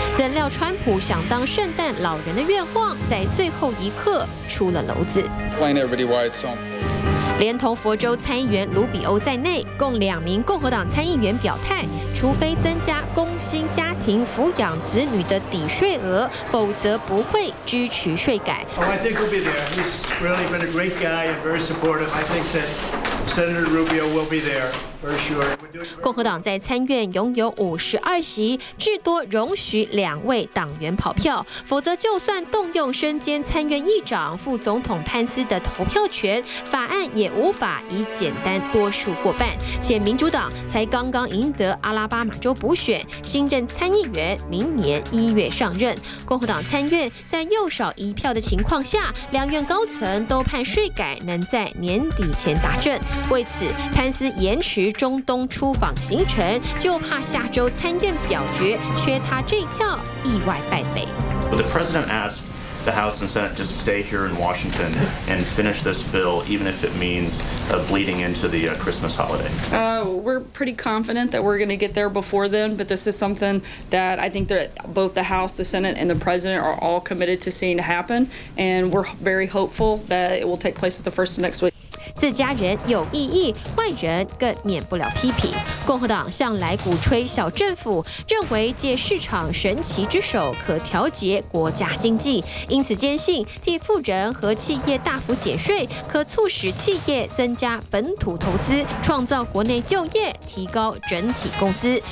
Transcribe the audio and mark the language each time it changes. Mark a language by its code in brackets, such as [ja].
[zh] 怎料川普想当圣诞老人的愿望在最后一刻出了篓子。连同佛州参议员卢比欧在内，共2名共和党参议员表态，除非增加工薪家庭抚养子女的抵税额，否则不会支持税改。 [en] Oh, I think we'll be there. He's really been a great guy and very supportive. I think that Senator Rubio will be there. [zh] 共和党在参院拥有52席，至多容许2位党员跑票，否则就算动用身兼参院议长副总统潘斯的投票权，法案也无法以简单多数过半。且民主党才刚刚赢得阿拉巴马州补选，新任参议员明年1月上任。共和党参院在又少一票的情况下，两院高层都盼税改能在年底前达阵。为此，潘斯延迟中东出访行程，就怕下周参院表决缺他这票，意外败北。 [en] The president asked the House and Senate to stay here in Washington and finish this bill, even if it means bleeding into the Christmas holiday. We're pretty confident that we're going to get there before then, but this is something that I think that both the House, the Senate, and the president are all committed to seeing happen, and we're very hopeful that it will take place at the first of next week. [zh] 自家人有异议，外人更免不了批评。共和党向来鼓吹小政府，认为借市场神奇之手可调节国家经济，因此坚信替富人和企业大幅减税，可促使企业增加本土投资，创造国内就业，提高整体工资。